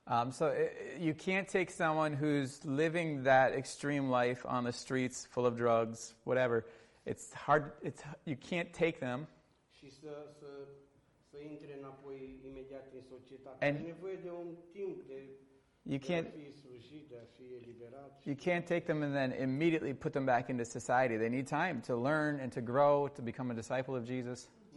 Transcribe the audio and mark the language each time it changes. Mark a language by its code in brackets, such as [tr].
[en] So you can't take someone who's living that extreme life on the streets full of drugs, whatever. It's hard. You can't take them. [ro] Și să intre înapoi imediat în societate. And are nevoie de un timp de [en] you can't take them and then immediately put them back into society. They need time to learn and to grow, to become a disciple of Jesus.